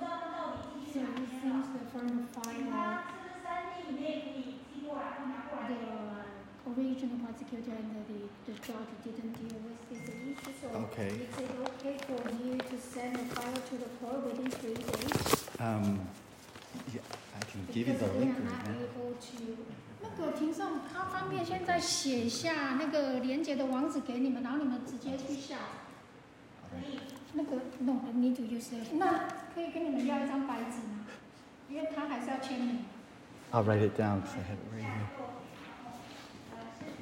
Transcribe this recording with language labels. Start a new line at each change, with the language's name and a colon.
English: find the original prosecutor and the judge didn't deal with this issue. So okay. Is it okay for you to send a file to the court within 3 days? Yeah, I can give you the link. Because they are not able to...
Chinese: 那个庭上他方便现在写下那个连接的网址给你们，然后你们直接去下。
English: 那个 no, need to use it.
Chinese: 那可以跟你们要一张白纸吗？因为他还是要签名。
English: I'll write it down because I have it right here.